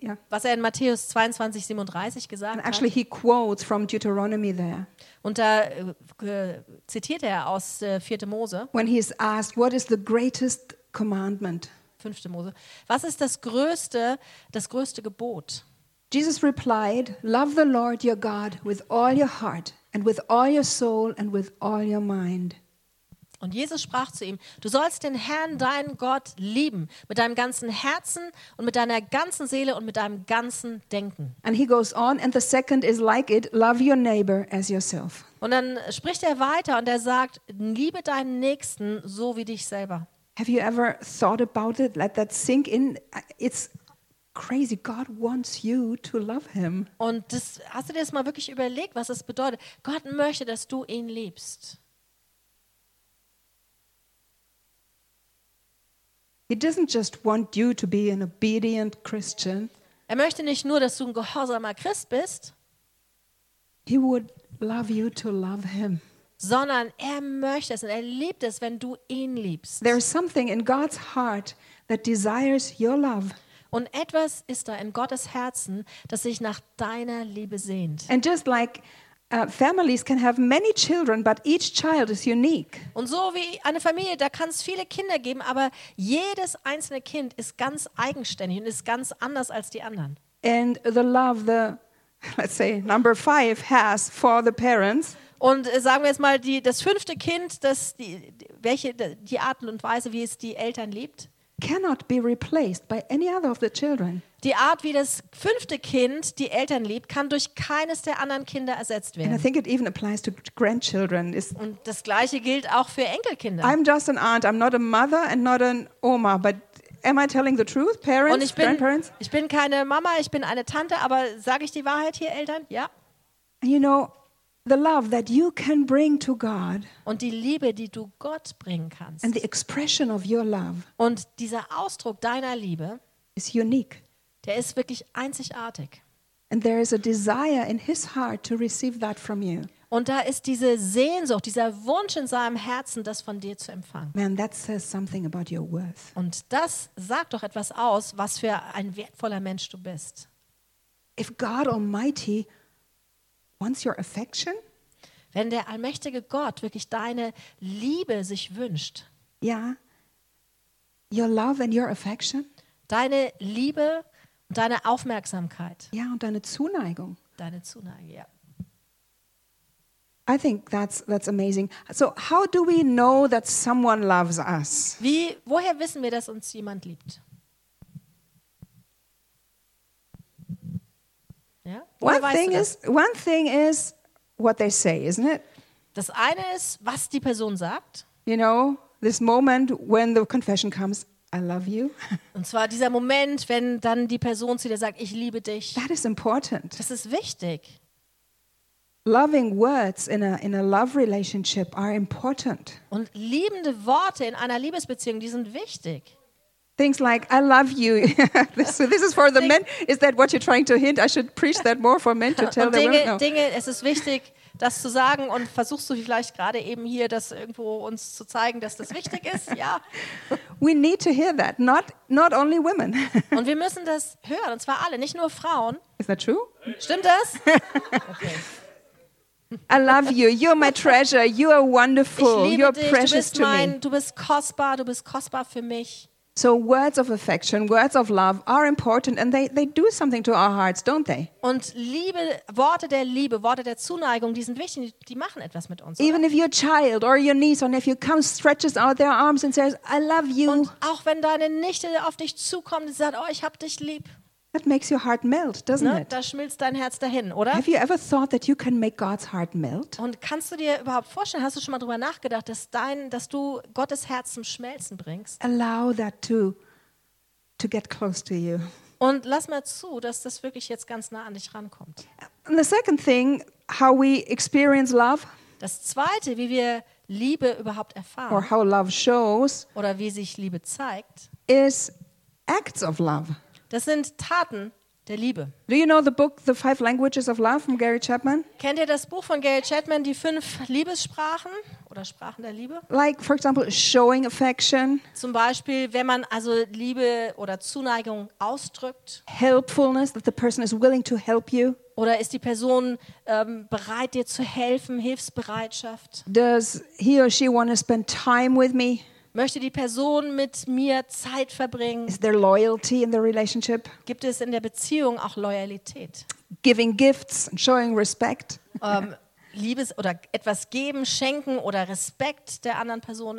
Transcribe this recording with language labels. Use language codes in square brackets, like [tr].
[de] Was er in Matthäus 22, 37 gesagt hat. [en] Actually, he quotes from Deuteronomy there. [de] Und da zitiert er aus 4. Mose. [en] When he is asked, what is the greatest commandment? [de] 5. Mose. Was ist das größte Gebot? [en] Jesus replied, love the Lord your God with all your heart and with all your soul and with all your mind. [de] Und Jesus sprach zu ihm, du sollst den Herrn, deinen Gott, lieben, mit deinem ganzen Herzen und mit deiner ganzen Seele und mit deinem ganzen Denken. [en] And he goes on, and the second is like it, love your neighbor as yourself. [de] Und dann spricht er weiter und er sagt, liebe deinen Nächsten so wie dich selber. [en] Have you ever thought about it? Let that sink in. It's crazy. God wants you to love him. [de] Und das, hast du dir das mal wirklich überlegt, was das bedeutet? Gott möchte, dass du ihn liebst. [en] He doesn't just want you to be an obedient Christian. [de] Er möchte nicht nur, dass du ein gehorsamer Christ bist. [en] He would love you to love him. [de] Sondern er möchte es und er liebt es, wenn du ihn liebst. [en] There is something in God's heart that desires your love. [de] Und etwas ist da in Gottes Herzen, das sich nach deiner Liebe sehnt. [en] And just like families can have many children, but each child is unique. [de] Und so wie eine Familie, da kann es viele Kinder geben, aber jedes einzelne Kind ist ganz eigenständig und ist ganz anders als die anderen. [en] And the love the, let's say, number five has for the parents. [de] Und sagen wir jetzt mal, das fünfte Kind, die Art und Weise, wie es die Eltern liebt, [en] cannot be replaced by any other of the children. [de] Die Art, wie das fünfte Kind die Eltern liebt, kann durch keines der anderen Kinder ersetzt werden. [en] And I think it even applies to grandchildren. [de] Und das Gleiche gilt auch für Enkelkinder. [en] I'm just an aunt. I'm not a mother and not an Oma. But am I telling the truth, parents, grandparents? [de] Ich bin keine Mama, ich bin eine Tante, aber sage ich die Wahrheit hier, Eltern? Ja. [en] You know, the love that you can bring to God, [de] und die Liebe, die du Gott bringen kannst, [en] and the expression of your love, [de] und dieser Ausdruck deiner Liebe, [en] is unique. [de] Der ist wirklich einzigartig. [en] And there is a desire in his heart to receive that from you. [de] Und da ist diese Sehnsucht, dieser Wunsch in seinem Herzen, das von dir zu empfangen. [en] Man, that says something about your worth. [de] Und das sagt doch etwas aus, was für ein wertvoller Mensch du bist. [en] If God Almighty wants your affection, [de] wenn der allmächtige Gott wirklich deine Liebe sich wünscht, [en] yeah, your love and your affection, [de] deine Liebe und deine Aufmerksamkeit, ja, yeah, und deine Zuneigung, deine Zuneigung, ja. [en] I think that's amazing. So how do we know that someone loves us? [de] Woher wissen wir, dass uns jemand liebt? Ja? [en] One thing is what they say, isn't it? [de] Das eine ist, was die Person sagt. [en] You know, this moment when the confession comes, I love you. [de] Und zwar dieser Moment, wenn dann die Person zu dir sagt, ich liebe dich. [en] That is important. [de] Das ist wichtig. [en] Loving words in a love relationship are important. [de] Und liebende Worte in einer Liebesbeziehung, die sind wichtig. [en] Things like I love you. this is for the men. Is that what you're trying to hint? I should preach that more for men to tell them. [de] Dinge, es ist wichtig, das zu sagen, und versuchst du vielleicht gerade eben hier das irgendwo uns zu zeigen, dass das wichtig ist? Ja. [en] We need to hear that. Not only women. [de] Und wir müssen das hören, und zwar alle, nicht nur Frauen. [en] Is that true? [de] Stimmt das? [en] Okay. I love you. You're my treasure. You are wonderful. You're precious to me. [de] Du bist kostbar. Du bist kostbar für mich. [en] So words of affection, words of love are important, and they do something to our hearts, don't they? [de] Und Liebe, Worte der Zuneigung, die sind wichtig. Die machen etwas mit uns. [en] Even if your child or your niece or nephew comes, stretches out their arms and says, "I love you." [de] Und auch wenn deine Nichte auf dich zukommt und sagt, "Oh, ich hab dich lieb." [en] That makes your heart melt, doesn't it? [de] Da schmilzt dein Herz dahin, oder? [en] Have you ever thought that you can make God's heart melt? [de] Und kannst du dir überhaupt vorstellen, hast du schon mal drüber nachgedacht, dass du Gottes Herz zum Schmelzen bringst? [en] Allow that to get close to you. [de] Und lass mal zu, dass das wirklich jetzt ganz nah an dich rankommt. [en] And the second thing, how we experience love. [de] Das zweite, wie wir Liebe überhaupt erfahren. [en] Or how love shows. [de] Oder wie sich Liebe zeigt. [en] Is acts of love. [de] Das sind Taten der Liebe. [en] Do you know the book The Five Languages of Love from Gary Chapman? [de] Kennt ihr das Buch von Gary Chapman, die fünf Liebessprachen oder Sprachen der Liebe? [en] Like for example showing affection. [de] Zum Beispiel, wenn man also Liebe oder Zuneigung ausdrückt. [en] Helpfulness, that the person is willing to help you. [de] Oder ist die Person bereit, dir zu helfen, Hilfsbereitschaft? [en] Does he or she want to spend time with me? [de] Möchte die Person mit mir Zeit verbringen? [en] Is there loyalty in the relationship? [de] Gibt es in der Beziehung auch Loyalität? [en] Giving gifts and showing respect. [de] Liebes oder etwas geben, schenken oder Respekt der anderen Person